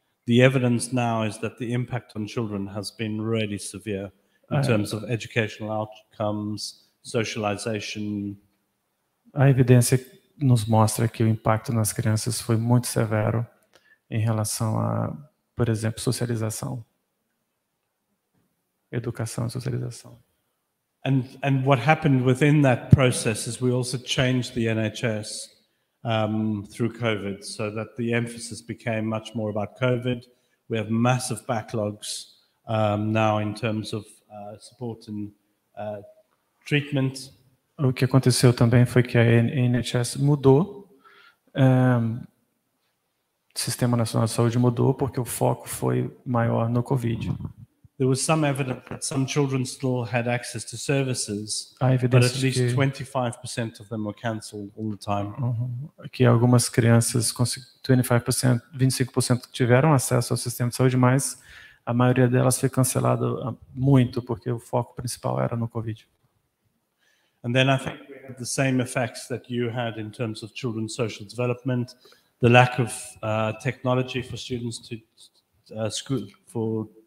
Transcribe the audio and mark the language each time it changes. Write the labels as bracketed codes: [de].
[en] The evidence now is that the impact on children has been really severe in terms of educational outcomes, socialization. [pt] A evidência nos mostra que o impacto nas crianças foi muito severo em relação a, por exemplo, socialização. Educação e socialização. [en] And what happened within that process is we also changed the NHS through COVID, so that the emphasis became much more about COVID. We have massive backlogs now in terms of support and treatment. [pt] O que aconteceu também foi que a NHS mudou, Sistema Nacional de Saúde mudou porque o foco foi maior no COVID. [en] There was some evidence that some children still had access to services, but at least 25% of them were cancelled all the time. [pt] Que algumas crianças, 25% tiveram acesso ao sistema de saúde, mas a maioria delas foi cancelada muito porque o foco principal era no COVID. [en] And then I think we had the same effects that you had in terms of children's social development, the lack of technology for students to school for.